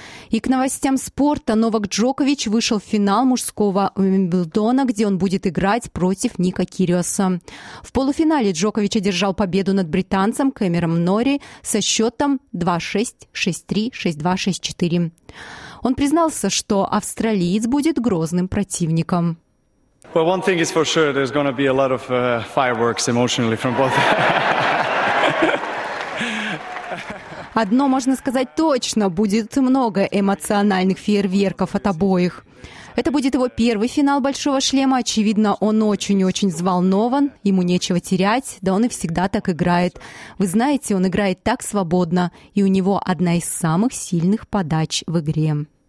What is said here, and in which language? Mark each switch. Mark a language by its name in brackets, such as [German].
[Russian] И к новостям спорта. Новак Джокович вышел в финал мужского Уимблдона, где он будет играть против Ника Кириоса. В полуфинале Джокович одержал победу над британцем Кэмерон Нори со счетом 2-6, 6-3, 6-2, 6-4. Он признался, что австралиец будет грозным противником. [English] Well, one thing is for sure, there's going to be a lot of fireworks emotionally from both. [Russian] Одно можно сказать точно, будет много эмоциональных фейерверков от обоих. Это будет его первый финал «Большого шлема». Очевидно, он очень-очень взволнован, ему нечего терять, да он и всегда так играет. Вы знаете, он играет так свободно, и у него одна из самых сильных подач в игре.